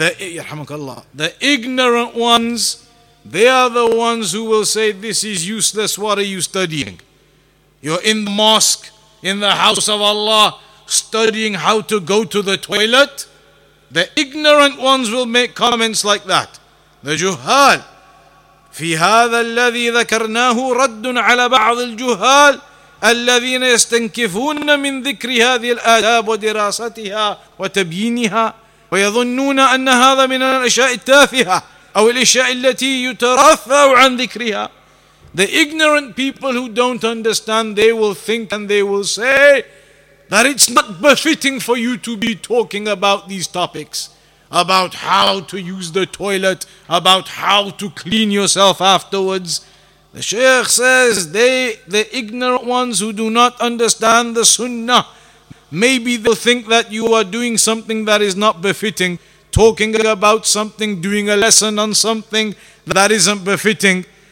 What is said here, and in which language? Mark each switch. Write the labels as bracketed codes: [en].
[en] The ignorant ones, they are the ones who will say this is useless. What are you studying? You're in the mosque, in the house of Allah, studying how to go to the toilet. The ignorant ones will make comments like that. The juhal. [ar] في هذا الذي ذكرناه رد على بعض الجهال الذين يستنكفون من ذكر هذه الآداب ودراستها وتبيينها ويظنون أن هذا من الأشياء التافهة أو الأشياء التي يترفع عن ذكرها. [en] The ignorant people who don't understand, they will think and they will say that it's not befitting for you to be talking about these topics, about how to use the toilet, about how to clean yourself afterwards. The Shaykh says, the ignorant ones who do not understand the sunnah, maybe they'll think that you are doing something that is not befitting, talking about something, doing a lesson on something that isn't befitting.